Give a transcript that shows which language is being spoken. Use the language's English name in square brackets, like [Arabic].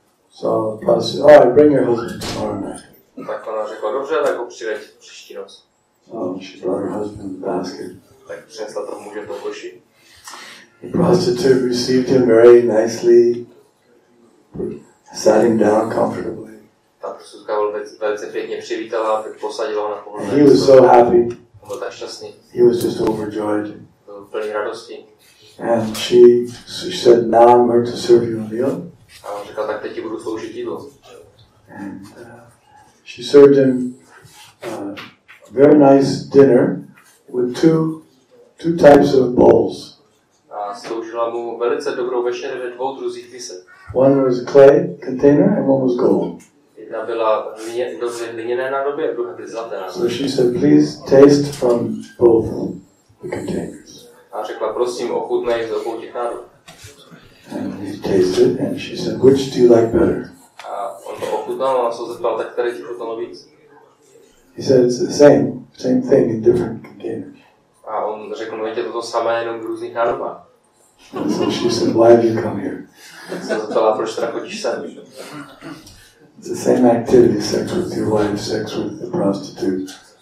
[English] So prostitute, all right, bring your husband tomorrow night. [Czech] Tak ona řekla, dobře, tak ho přiveď příští noc. [English] So she brought her husband the basket. [Czech] Tak přinesla tomu muže to koši. [English] The prostitute received him very nicely, sat him down comfortably. [Czech] Ta prostitutka velice pěkně přivítala, posadila ho na pohodlné. [English] He was so happy. [Czech] On byl tak šťastný. [English] He was just overjoyed. [Czech] Byl plný radosti. [English] And she said, now I'm going to serve you a meal. [Czech] A on řekl, tak teď ti budu sloužit jídlo. [English] She served him a very nice dinner with two types of bowls. [Czech] Sloužila mu velice dobrou večeři ve dvou druzích misek. [English] One was clay container and one was gold. [Czech] Jedna byla hliněné nádobě a druhá byly zlaté nádobě. [English] So she said, please taste from both the containers. [Czech] A řekla, prosím, ochutnej z obou těch nádob. [English] And he tasted and she said, which do you like better? [Czech] A on to ochutnal, ona se zeptala, tak které ti chutnalo víc? [English] He said, it's the same thing in different containers. [Czech] A on řekl, no je to to samé, jenom v různých nádobách. [English] And so she said, why have you come here? It's the same activity, sex with your wife, sex with the prostitute.